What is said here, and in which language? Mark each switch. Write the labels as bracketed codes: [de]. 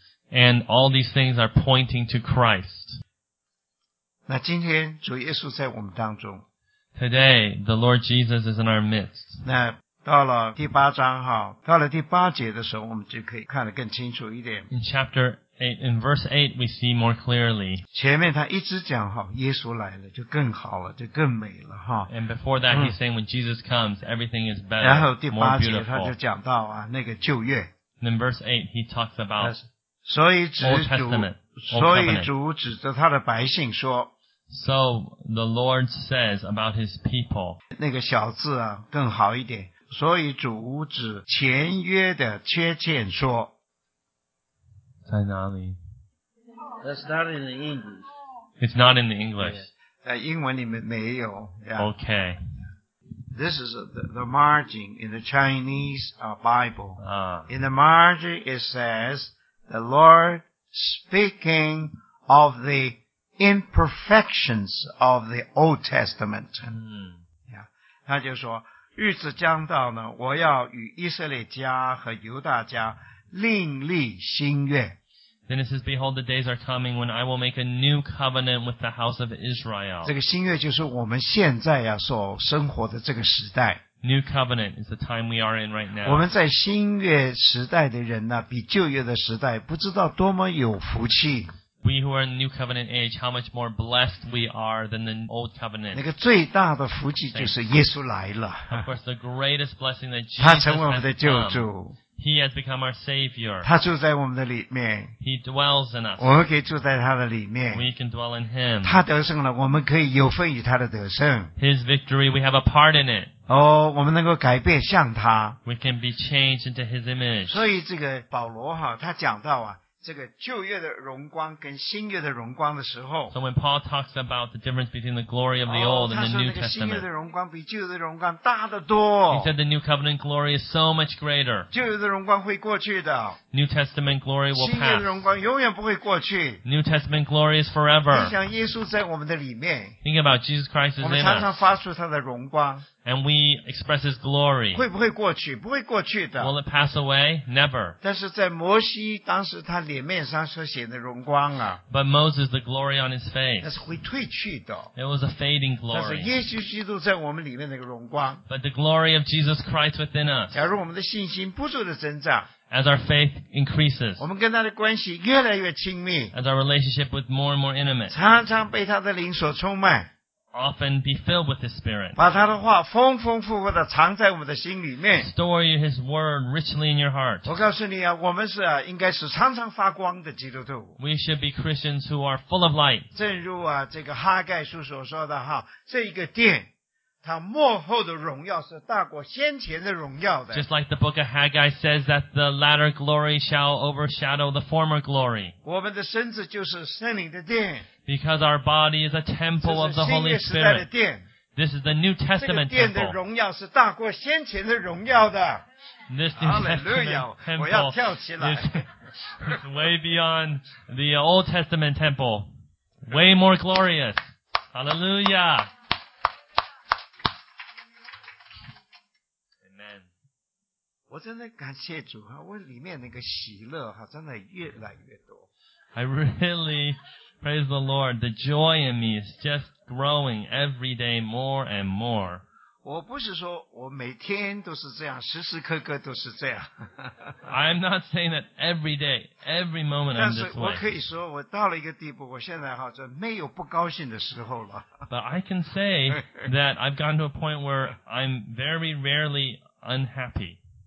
[en] And all these things are pointing to Christ. [zh] 那今天主耶稣在我们当中。 [en] Today, the Lord Jesus is in our midst. [zh] 那到了第八章哈, 到了第八节的时候, 我们就可以看得更清楚一点。 [en] In chapter 8, in verse 8, we see more clearly. [zh] 前面他一直讲哈, 耶稣来了, 就更好了, 就更美了哈。 [en] And before that, he's saying when Jesus comes, everything is better, more beautiful. [zh] 然后第八节他就讲到啊, 那个旧约。 [en] And in verse 8, he talks about Old Testament. [zh] 所以主指着他的百姓说, [en] so the Lord says about his people. [zh] 那个小字啊, 更好一点。所以主指前约的缺欠说, 在哪里? [en] That's not in the English. It's not in the English. [zh] 在英文里面没有。 [en] Yeah. Okay. This is the margin in the Chinese Bible. In the margin, it says, the Lord speaking of the imperfections of the Old Testament. Yeah. [zh] 他就说日子将到呢，我要与以色列家和犹大家另立新约。 [en] Then it says, behold, the days are coming when I will make a new covenant with the house of Israel. [zh] 这个新约就是我们现在啊所生活的这个时代。 [en] New covenant is the time we are in right now. [zh] 我们在新约时代的人呢、啊、比旧约的时代不知道多么有福气。 [en] We who are in the new covenant age, how much more blessed we are than the old covenant. [zh] 那个最大的福气就是耶稣来了。 [en] Of course, the greatest blessing that Jesus has come. [zh] 他成为我们的救主。 [en] He has become our Savior. [zh] 他住在我们的里面。 [en] He dwells in us. [zh] 我们可以住在他的里面。 [en] We can dwell in him. [zh] 他得胜了，我们可以有份于他的得胜。 [en] His victory, we have a part in it. [zh] 哦，我们能够改变像他。 [en] We can be changed into his image. [zh] 所以这个保罗哈，他讲到啊，这个旧约的荣光跟新约的荣光的时候。 [en] So when Paul talks about the difference between the glory of the old and the new testament. [zh] 他说那个新约的荣光比旧约的荣光大得多。 [en] He said the new covenant glory is so much greater. [zh] 旧约的荣光会过去的。 [en] New testament glory will pass. [zh] 新约的荣光永远不会过去。 [en] New testament glory is forever. [zh] 你想耶稣在我们的里面。 [en] Think about Jesus Christ is in us. [zh] 我们常常发出他的荣光。 [en] And we express His glory. [zh] 会不会过去？不会过去的。 [en] Will it pass away? Never. [zh] 但是在摩西当时他脸面上所显的荣光啊。 [en] But Moses, the glory on his face. [zh] 那是会退去的。 [en] It was a fading glory. [zh] 但是耶稣基督在我们里面那个荣光。 [en] But the glory of Jesus Christ within us. [zh] 假如我们的信心不住的增长。 [en] As our faith increases. [zh] 我们跟他的关系越来越亲密。 [en] As our relationship with more and more intimate. [zh] 常常被他的灵所充满。 [en] Often be filled with His Spirit. [zh] 把他的话丰丰富富的藏在我们的心里面。 [en] Store His Word richly in your heart. [zh] 我告诉你啊，我们是啊，应该是常常发光的基督徒。 [en] We should be Christians who are full of light. [zh] 正如啊，这个哈盖书所说的哈，这一个殿，它幕后的荣耀是大过先前的荣耀的。 [en] Just like the book of Haggai says that the latter glory shall overshadow the former glory. [zh] 我们的身子就是圣灵的殿。 [en] Because our body is a temple of the Holy Spirit. This is the New Testament temple. [zh] 这个殿的荣耀是大过先前的荣耀的。 [en] This New Testament temple, [zh] 我要跳起来。 [en] It's way beyond the Old Testament temple. Way more glorious. Hallelujah. Amen. [zh] 我真的感谢主啊，我里面那个喜乐啊，真的越来越多。 [en] I really... Praise the Lord, the joy in me is just growing every day more and more. [zh] 我不是说我每天都是这样，时时刻刻都是这样。 [en] I'm not saying that every day, every moment I'm this way. [zh] 但是我可以说我到了一个地步，我现在好像没有不高兴的时候了。 [en] But I can say that I've gotten to a point where I'm very rarely unhappy.